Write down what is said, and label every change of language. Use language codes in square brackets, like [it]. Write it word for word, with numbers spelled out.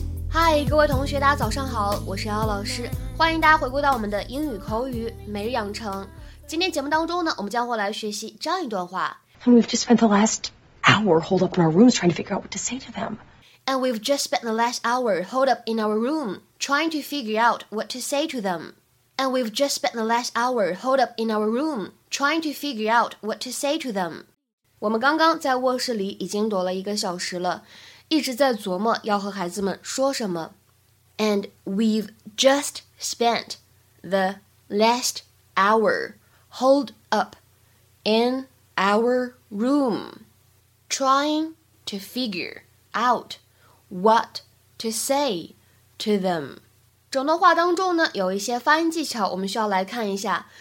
[zh] 嗨，各位同学，大家早上好，我是姚老师，欢迎大家回归到我们的英语口语每日养成。今天节目当中呢，我们将会来学习这样一段话。 [en] And we've just spent the last hour holed up in our rooms trying to figure out what to say to them. And we've just spent the last hour holed up in our room trying to figure out what to say to them. And we've just spent the last hour holed up in our room trying to figure out what to say to them. [zh] 我们刚刚在卧室里已经躲了一个小时了。一直在琢磨要和孩子们说什么 [en] And we've just spent the last hour holed up in our room trying to figure out what to say to them. [zh] 整段话当中呢，有一些发音技巧我们需要来看一下。